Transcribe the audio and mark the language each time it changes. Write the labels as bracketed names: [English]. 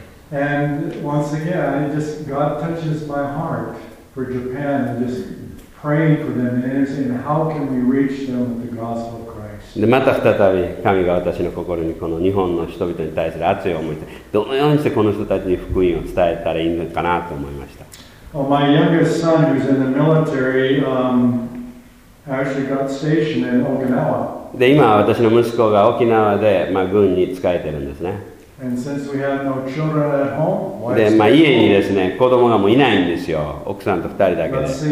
[English] And once again, God touches my heart for Japan and just praying for them and saying, how can we reach them with the gospel of Christ? [Japanese] で、また再び神が私の心にこの日本の人々に対する熱い思いで、どのようにしてこの人たちに福音を伝えたらいいのかなと思いました。 [English] Well, my youngest son, who's in the military, actually got stationed in Okinawa. [Japanese] で、今私の息子が沖縄で、まあ、軍に仕えてるんですね。 [English] And since we have no children at home, why [Japanese] で、まあ、家にですね、子供がもういないんですよ、奥さんと二人だけで。